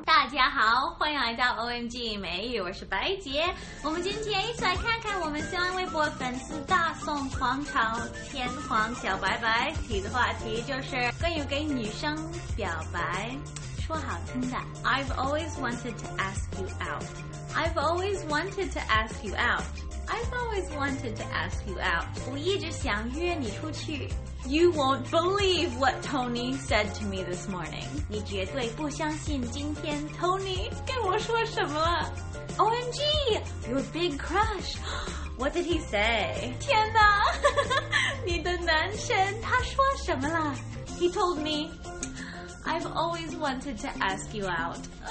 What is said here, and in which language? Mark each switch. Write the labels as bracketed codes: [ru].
[zh] 家好，欢迎来到 OMG 美语，我是白杰。我们今天一起来看看我们新浪微博粉丝大宋狂潮天皇小白白提的话题，就是关于给女生表白，说好听的 [en] I've always wanted to ask you out. I've always wanted to ask you out. I've always wanted to ask you out. [zh] 我一直想约你出去。 [en] You won't believe what Tony said to me this morning. [zh] 你绝对不相信今天 Tony 跟我说什么了。 [en] OMG, your big crush. What did he say? [zh] 天哪，你的男神他说什么了？ [en] He told me, I've always wanted to ask you out.